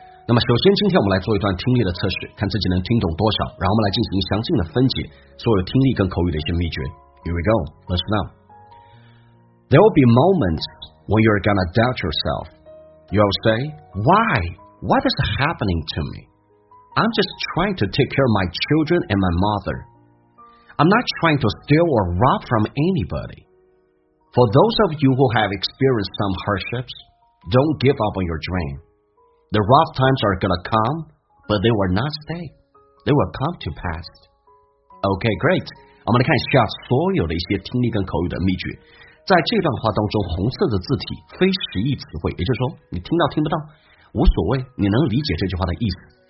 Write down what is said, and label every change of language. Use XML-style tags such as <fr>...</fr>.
<zh>那么，首先今天我们来做一段听力的测试，看自己能听懂多少，然后我们来进行详尽的分解所有听力跟口语的一些秘诀。</zh> <en>Here we go, listen up. There will be moments when you're gonna doubt yourself. You'll say, "Why? What is happening to me? I'm just trying to take care of my children and my mother. I'm not trying to steal or rob from anybody." For those of you who have experienced some hardships, don't give up on your dream. The rough times are going to come, but they will not stay. They will come to pass. Okay, great.</en> <zh>我们来看一下所有的一些听力跟口语的秘诀。在这段话当中，红色的字体非实义词汇，也就是说你听到听不到无所谓，你能理解这句话的意思。</zh>